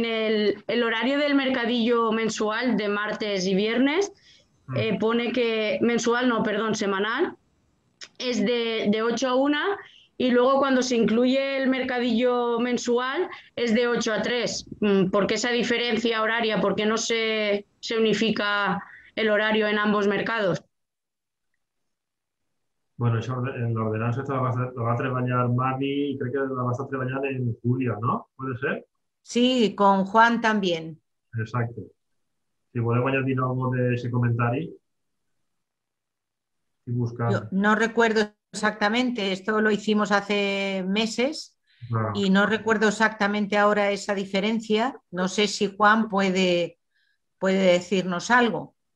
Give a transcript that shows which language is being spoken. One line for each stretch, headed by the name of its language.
Spanish: En el horario del mercadillo mensual de martes y viernes, pone que mensual, no, perdón, semanal, es de 8 a 1 y luego cuando se incluye el mercadillo mensual es de 8 a 3. ¿Por qué esa diferencia horaria? ¿Por qué no se unifica el horario en ambos mercados?
Catalan: Bueno, això en l'ordenança la va treballar Mavi i crec que la va estar treballant en Julio, no?
Spanish: ¿Puede ser? Sí, con Juan también.
Catalan: Exacte. Si voleu
Spanish: añadir algo de ese comentari. Y buscar... Yo no recuerdo exactamente, esto lo hicimos hace meses y no recuerdo exactamente ahora esa diferencia. No sé si Juan puede decirnos algo.